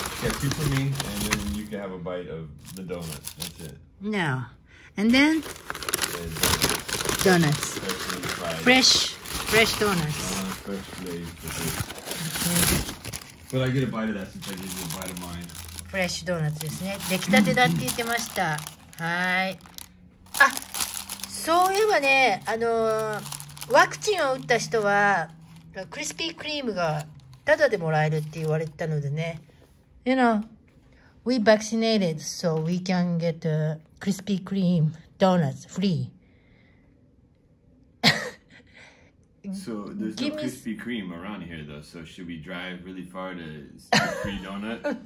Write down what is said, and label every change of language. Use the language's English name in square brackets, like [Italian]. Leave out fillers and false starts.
[English] Yeah, two for me, and then you can have a bite of the donut. That's it. No. And then? And donuts. Fresh donuts. Fresh made. But I get a bite of that since I gave you a bite of mine. Fresh donuts, [Japanese] ですね。出来たてだって言ってました。はい。あ、そういえばね、ワクチンを打った人は、クリスピークリームがタダでもらえるって言われたのでね。 [English] You know, we vaccinated so we can get a crispy cream donuts free. So there's no crispy cream around here though, so should we drive really far to see a free donut?